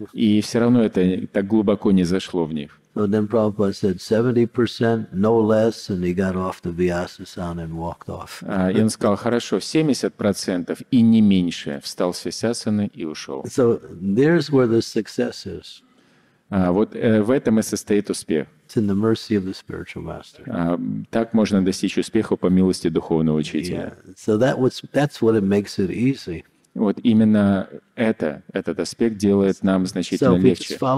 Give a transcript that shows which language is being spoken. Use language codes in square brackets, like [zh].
[ru] И все равно это так глубоко не зашло в них. [en] So then Prabhupada said 70%, no less, and he got off the Vyasasana and walked off. [ru] И он сказал, хорошо, 70% и не меньше. Встал с Висасаны и ушел. [en] So there's where the success is. [ru] Вот в этом и состоит успех. [en] It's in the mercy of the spiritual master. [ru] Так можно достичь успеха по милости духовного учителя. [en] Yeah. So that's what it makes it easy. [ru] Вот именно это, этот аспект делает нам значительно легче.